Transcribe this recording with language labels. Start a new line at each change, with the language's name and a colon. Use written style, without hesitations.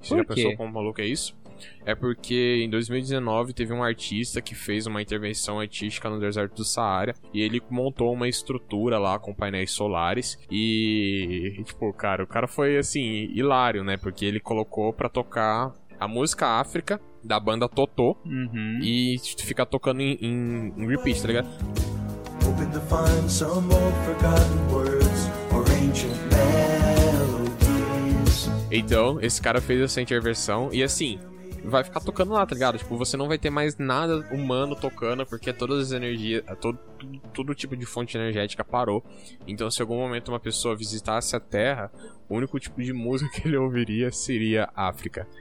Portuguese: Você já pensou como maluco é isso? É porque em 2019 teve um artista que fez uma intervenção artística no deserto do Saara e ele montou uma estrutura lá com painéis solares e, tipo, cara, o cara foi, assim, hilário, né, porque ele colocou pra tocar a música África, da banda Totó, e fica tocando em repeat, tá ligado?
English: Hoping to find some old forgotten words or ancient melodies.
Portuguese: Então, esse cara fez essa intervenção e, assim, vai ficar tocando lá, tá ligado? Tipo, você não vai ter mais nada humano tocando, porque todas as energias, todo tipo de fonte energética parou. Então, se em algum momento uma pessoa visitasse a Terra, o único tipo de música que ele ouviria seria África.